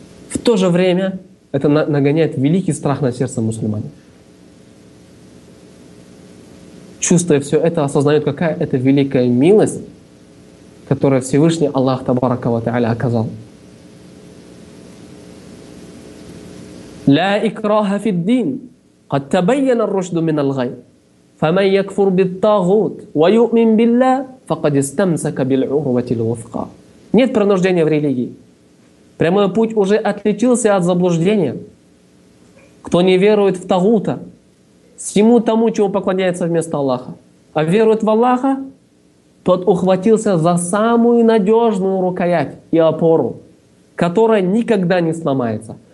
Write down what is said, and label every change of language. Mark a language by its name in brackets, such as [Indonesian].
[Russian] В то же время это нагоняет великий страх на сердце мусульманина. Чувствуя все это, осознает, какая это великая милость, которую Всевышний Аллах [Arabic] Табарака ва Тааля [Russian] оказал. [Arabic] لا إكراه في الدين قد تبين الرشد من الغي فمن يكفر بالطاغوت ويؤمن بالله فقد استمسك بالعروة الوثقى. [Russian] Нет принуждения в религии. Прямой путь уже отличился от заблуждения. Кто не верует в тагута, всему тому, чему поклоняется вместо Аллаха, а верует в Аллаха, тот ухватился за самую надежную рукоять и опору, которая никогда не сломается.